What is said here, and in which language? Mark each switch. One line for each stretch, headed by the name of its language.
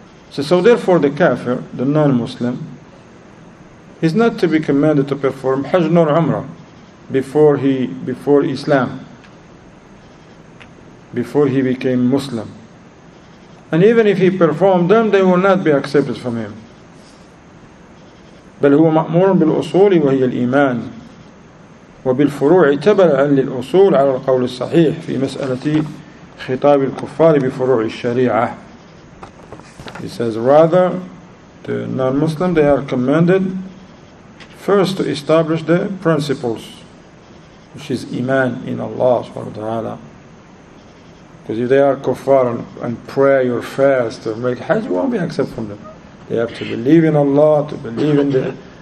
English: So therefore the kafir, the non-Muslim, is not to be commanded to perform Hajj nor Umrah before he became Muslim. And even if he performed them, they will not be accepted from him.
Arabic: بل هو مأمور بالأصول وهي الإيمان. وبالفروع تبعا للأصول على القول الصحيح في مسألة خطاب الكفار بفروع الشريعة.
English: He says rather the non-Muslim they are commanded first to establish the principles which is iman in Allah
Arabic: سبحانه وتعالى.
English: Because if they are kuffar and pray or fast or make hajj, won't be accepted from them. They have to believe in Allah, to believe in the